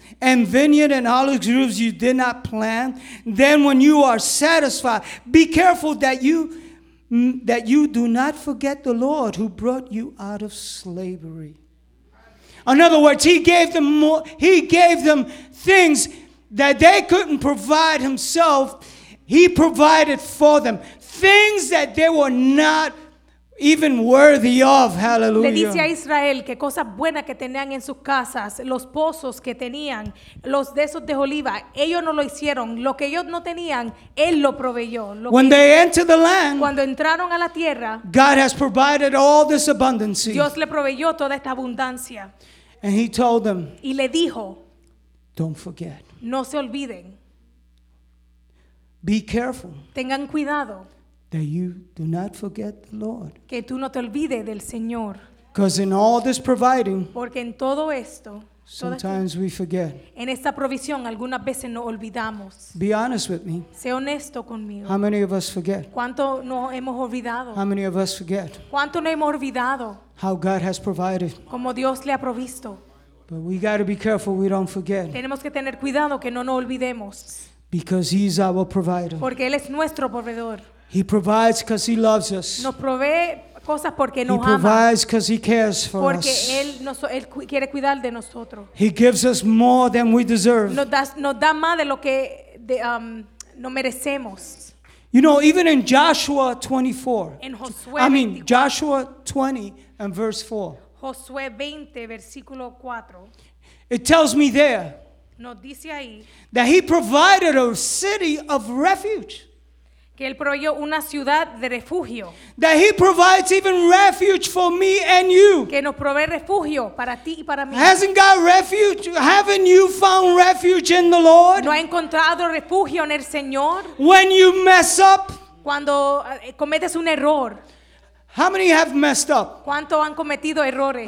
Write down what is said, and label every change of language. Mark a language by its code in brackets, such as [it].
[en] And vineyard and olive groves you did not plant. Then when you are satisfied, be careful that you do not forget the Lord who brought you out of slavery. In other words, he gave them things that they couldn't provide himself. He provided for them things that they were not even worthy of. Hallelujah. [es] Le dice a Israel que cosas buenas que tenían en sus casas, los pozos que tenían, los dedos de oliva, ellos no lo hicieron. Lo que ellos no tenían, él lo proveyó. [en] When they entered the land, [es] cuando entraron a la tierra, [en] God has provided all this abundance. [es] Dios le proveyó toda esta abundancia. [en] And he told them, [es] y le dijo, [en] don't forget. [es] No se olviden. [en] Be careful. [es] Tengan cuidado. [en] That you do not forget the Lord. [es] Que tú no te olvides del Señor. [en] Because in all this providing, [es] porque en todo esto, [en] sometimes we forget. [es] En esta provisión, algunas veces nos olvidamos. [en] Be honest with me. [es] Sé honesto conmigo. [en] How many of us forget? [es] ¿Cuánto nos hemos olvidado? [en] How many of us forget? [es] ¿Cuánto nos hemos olvidado? [en] How God has provided. [es] Como Dios le ha provisto. [en] But we got to be careful we don't forget. [es] Tenemos que tener cuidado que no nos olvidemos. [en] Because He's our provider. [es] Porque Él es nuestro proveedor. [en] He provides because He loves us. [es] Nos provee cosas porque nos ama. [en] He provides because He cares for [es] porque [en] us. [es] Porque él quiere cuidar de nosotros. [en] He gives us more than we deserve. [es] Nos da más de lo que no merecemos. [en] You know, even in Joshua 24. [es] En Josué 20. [en] I mean, Joshua 20 and verse 4. [es] Josué 20, versículo 4. [en] It tells me there. [es] Nos dice ahí. [en] That He provided a city of refuge. [es] Que él proveyó una ciudad de refugio. [en] That He provides even refuge for me and you. [es] Que nos provee refugio para ti y para mí. [en] Hasn't God refuge? Haven't you found refuge in the Lord? [es] ¿No ha encontrado refugio en el Señor? [en] When you mess up. [es] Cuando cometes un error. [en] How many have messed up? [es] ¿Cuánto han cometido errores?